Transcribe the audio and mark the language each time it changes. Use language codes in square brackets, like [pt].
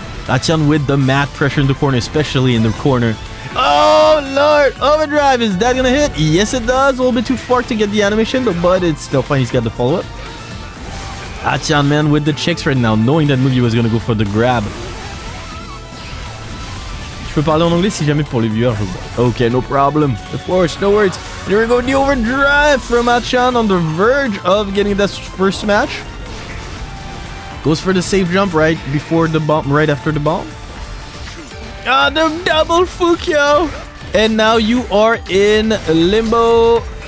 [en] Achan with the mad pressure in the corner, especially in the corner. Oh lord, overdrive. Is that gonna hit? Yes, it does. A little bit too far to get the animation, but it's still fine. He's got the follow-up. Achan, man, with the checks right now, knowing that Mugi was gonna go for the grab. [fr] Je peux parler en anglais si jamais pour les viewers, je vois. [en] Ok, no problem. Of course, no worries. Here we go, the overdrive from Achan on the verge of getting that first match. Goes for the safe jump right before the bomb, right after the bomb. Ah, the double Fukio! And now you are in limbo.